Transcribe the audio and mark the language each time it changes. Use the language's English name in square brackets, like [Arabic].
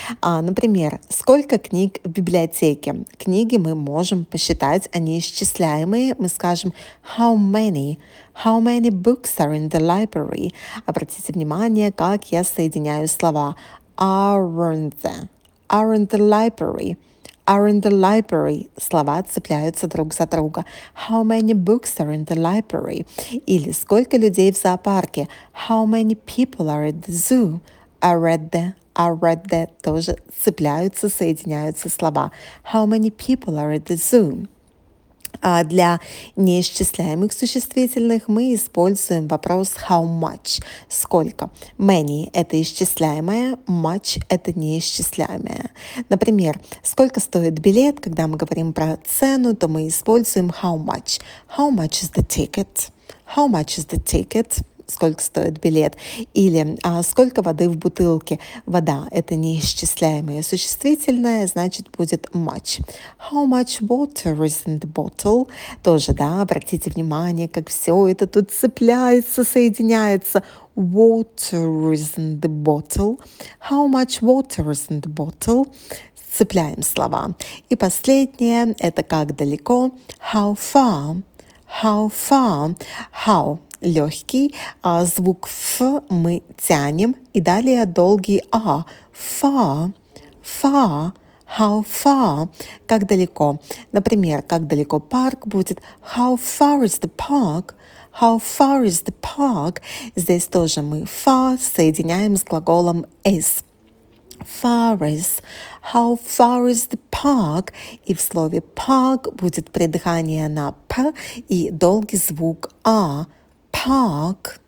[Russian] Например, сколько книг в библиотеке? Книги мы можем посчитать, они исчисляемые. Мы скажем [English] «how many?» «How many books are in the library?» [Russian] Обратите внимание, как я соединяю слова [English] «aren't there?» «Aren't the library?» Are in the library. [Russian] Слова цепляются друг за друга. [English] How many books are in the library? [Russian] Или сколько людей в зоопарке? [English] How many people are at the zoo? Are at the, are at the. [Russian] Тоже цепляются, соединяются слова. [English] How many people are at the zoo? [Russian] А для неисчисляемых существительных мы используем вопрос [English] how much, [Russian] сколько. Many – это исчисляемое, much – это неисчисляемое. Например, сколько стоит билет, когда мы говорим про цену, то мы используем [English] how much. How much is the ticket? How much is the ticket? [Russian] Сколько стоит билет? Или сколько воды в бутылке? Вода – это неисчисляемое существительное, значит, будет much. [English] How much water is in the bottle? [Russian] Тоже, да, обратите внимание, как все это тут цепляется, соединяется. [English] Water is in the bottle. How much water is in the bottle? [Russian] Цепляем слова. И последнее – это как далеко? [English] How far? How far? How? [Russian] Легкий, а звук «ф» мы тянем, и далее долгий «а». [English] Far, far, how far, [Russian] как далеко. Например, как далеко парк будет [English] «how far is the park?» How far is the park? [Russian] Здесь тоже мы «far» соединяем с глаголом «is». [English] Far is. How far is the park? [Russian] И в слове «park» будет придыхание на «п» и долгий звук «а». Park.